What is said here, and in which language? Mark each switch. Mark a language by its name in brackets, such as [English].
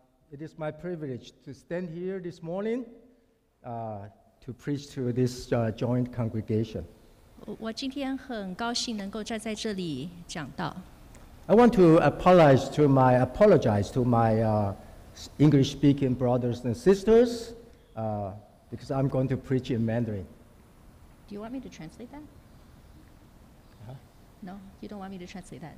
[English] It is my privilege to stand here this morning to preach to this joint congregation. [Chinese] 我今天很高兴能够站在这里讲道. [English] I want to apologize to my English-speaking brothers and sisters because I'm going to preach in Mandarin. Do you want me to translate that? No, you don't want me to translate that.